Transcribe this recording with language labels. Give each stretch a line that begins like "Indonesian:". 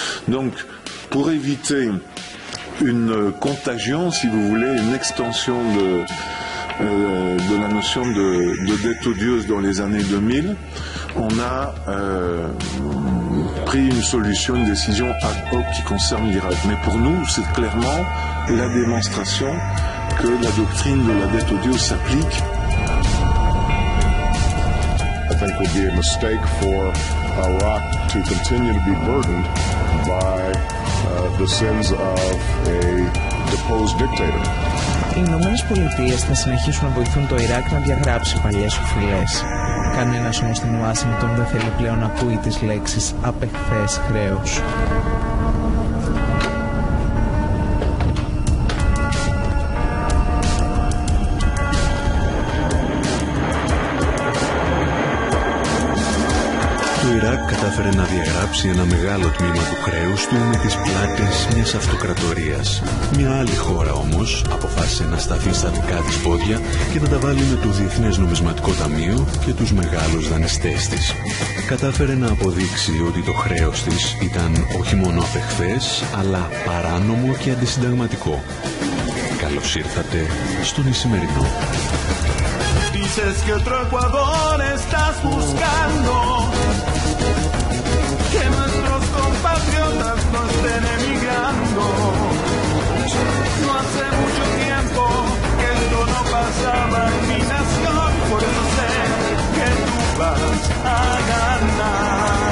French: Donc, pour éviter une contagion, si vous voulez, une extension de la notion de dette odieuse dans les années 2000, on a pris une solution, une décision ad hoc qui concerne l'Irak. Mais pour nous, c'est clairement la démonstration que la doctrine de la dette odieuse s'applique.
English: I think it would be a mistake for Iraq to continue to be burdened by the sins of a deposed dictator.
Greek: Οι Ηνωμένες Πολιτείες θα συνεχίσουν να βοηθούν το Ιράκ να διαγράψει παλιές οφειλές. Κανένας όμως στην Ουάσιγκτον δεν θέλει πλέον να ακούει τις λέξεις «απεχθές χρέος». κατάφερε να διαγράψει ένα μεγάλο τμήμα του χρέους του με τις πλάτες μιας αυτοκρατορίας. Μια άλλη χώρα όμως αποφάσισε να σταθεί στα δικά της πόδια και να τα βάλει με το Διεθνές Νομισματικό Ταμείο και τους μεγάλους δανειστές της. Κατάφερε να αποδείξει ότι το χρέος της ήταν όχι μόνο απεχθές, αλλά παράνομο και αντισυνταγματικό. Καλώς ήρθατε στον Ισημερινό.
Spanish: Dices que otro Ecuador estás buscando, que nuestros compatriotas no estén emigrando. No hace mucho tiempo que esto no pasaba en mi nación, por eso sé que tú vas a ganar.